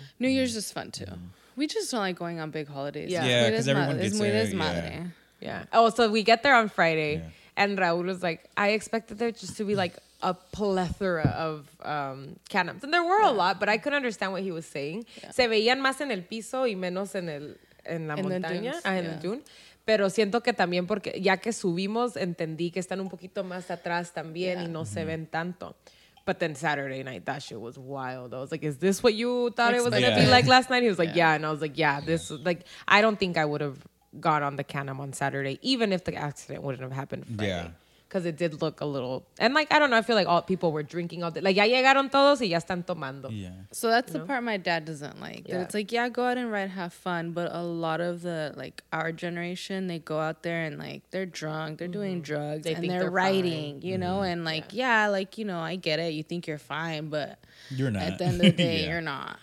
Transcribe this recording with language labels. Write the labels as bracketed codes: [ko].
[en] New Year's is fun too. Mm-hmm. We just don't like going on big holidays. Yeah, because everyone gets there. It's Madre. Yeah. Oh, so we get there on Friday, and Raul was like, I expected there just to be like a plethora of catnaps. And there were a lot, but I couldn't understand what he was saying. [es] Se veían más en el piso y menos en el en la montaña, en el dune. Pero siento que también porque ya que subimos, entendí que están un poquito más atrás también y no se ven tanto. [en] But then Saturday night, that shit was wild. I was like, is this what you thought it was going to be like last night? He was like, yeah. And I was like, yeah, this is like, I don't think I would have got on the Canem on Saturday, even if the accident wouldn't have happened Friday. Yeah. Because it did look a little, and like, I don't know, I feel like all people were drinking all day. [es] Like, ya llegaron todos y ya están tomando. [en] Yeah. So that's the part my dad doesn't like. Yeah. It's like, yeah, go out and ride, have fun. But a lot of the, like, our generation, they go out there and, like, they're drunk, they're doing drugs, they and think they're riding, you know? And like, yeah, like, you know, I get it. You think you're fine, but you're not. At the end of the day, you're not.